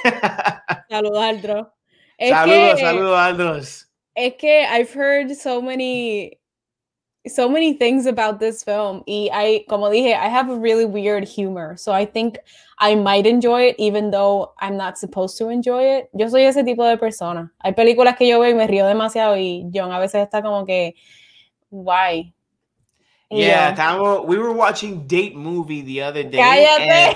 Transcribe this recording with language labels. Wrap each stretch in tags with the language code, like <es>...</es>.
<es>Saludos, Aldro. Saludos, saludos, Aldros.</es> <en>Eke, I've heard so many things about this film.</en> <es>Como dije,</es> <en>I have a really weird humor, so I think I might enjoy it, even though I'm not supposed to enjoy it.</en> <es>Yo soy ese tipo de persona. Hay películas que yo veo y me río demasiado, y John a veces está como que, why? Y</es> <en>Yeah,</en> <es>yo,</es> <en>Tamo, we were watching Date Movie the other day, and</en>